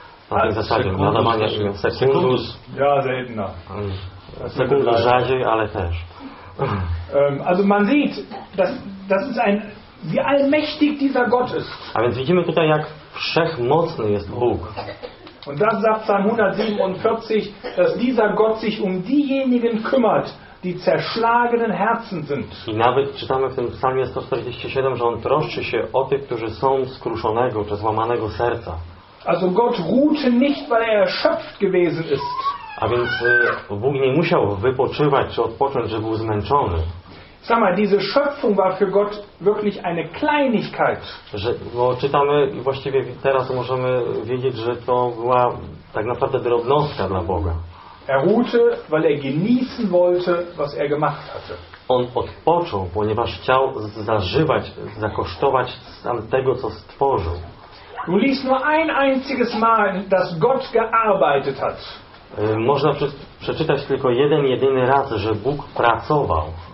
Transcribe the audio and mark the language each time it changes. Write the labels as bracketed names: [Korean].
[Polish] Na tej zasadzie, nadawania imion. [Latin] Secundus. [German] Ja, seltener. [Polish] Secundus rzadziej, ale też. [German] Also man sieht, das ist ein... Wie allmächtig dieser Gott ist. [Polish] A więc widzimy tutaj, jak wszechmocny jest Bóg. [German] Und das sagt Psalm 147, dass dieser Gott sich um diejenigen kümmert, die zerschlagenen Herzen sind. [Polish] I nawet czytamy w tym psalmie 147, że on troszczy się o tych, którzy są skruszonego czy złamanego serca. [German] Also Gott ruhte nicht, weil er erschöpft gewesen ist. [Polish] A więc Bóg nie musiał wypoczywać czy odpocząć, że był zmęczony. [German] Sag mal, diese Schöpfung war für Gott wirklich eine Kleinigkeit. [Polish] Że, bo czytamy i właściwie teraz możemy wiedzieć, że to była tak naprawdę drobnostka dla Boga. [German] Er ruhte, weil er genießen wollte, was er gemacht hatte. [Polish] On odpoczął, ponieważ chciał zażywać, zakosztować sam tego, co stworzył. [German] Du liest nur ein einziges Mal, dass Gott gearbeitet hat. [Polish] Można przeczytać tylko jeden jedyny raz, że Bóg pracował.